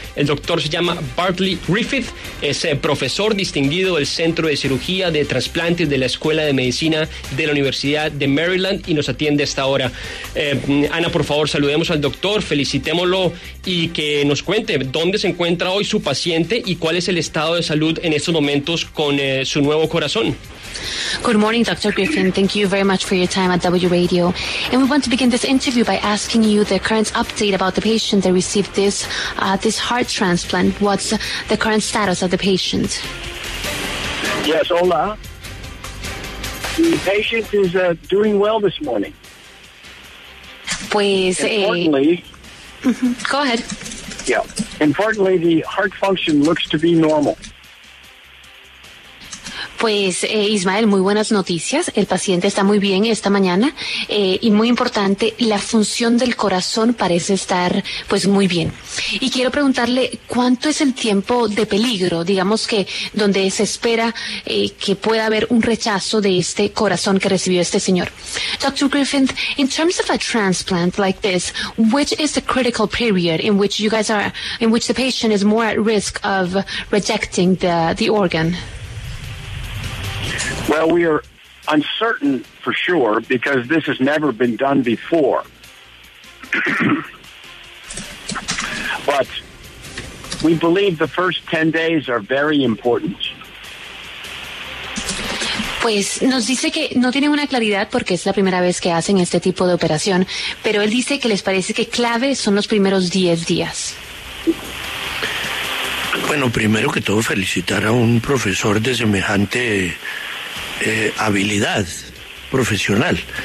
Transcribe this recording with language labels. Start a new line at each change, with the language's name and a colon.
Spanish: El doctor se llama Bartley Griffith, es profesor distinguido del Centro de Cirugía de Trasplantes de la Escuela de Medicina de la Universidad de Maryland y nos atiende a esta hora. Ana, por favor, saludemos al doctor, felicitémoslo y que nos cuente dónde se encuentra hoy su paciente y cuál es el estado de salud en estos momentos con su nuevo corazón.
English: Good morning, Dr. Griffin. Thank you very much for your time at W Radio. And we want to begin this interview by asking you the current update about the patient that received this this heart transplant. What's the current status of the patient? Yes, hola. The patient is doing well this morning.
Spanish: Pues,
English: importantly... Go ahead. Yeah. Importantly, the heart function looks to be normal.
Spanish: Pues, Ismael, muy buenas noticias. El paciente está muy bien esta mañana. Y muy importante, la función del corazón parece estar, pues, muy bien. Y quiero preguntarle, ¿cuánto es el tiempo de peligro, digamos que, donde se espera que pueda haber un rechazo de este corazón que recibió este señor?
English: Dr. Griffin, in terms of a transplant like this, which is the critical period in which you guys are, in which the patient is more at risk of rejecting the organ? Well, we are uncertain for sure because this has never been done before. But we believe the first 10 days are very important.
Spanish: Pues nos dice que no tiene una claridad porque es la primera vez que hacen este tipo de operación, pero él dice que les parece que clave son los primeros 10 días. Bueno, primero que todo, felicitar a un profesor de semejante habilidad profesional.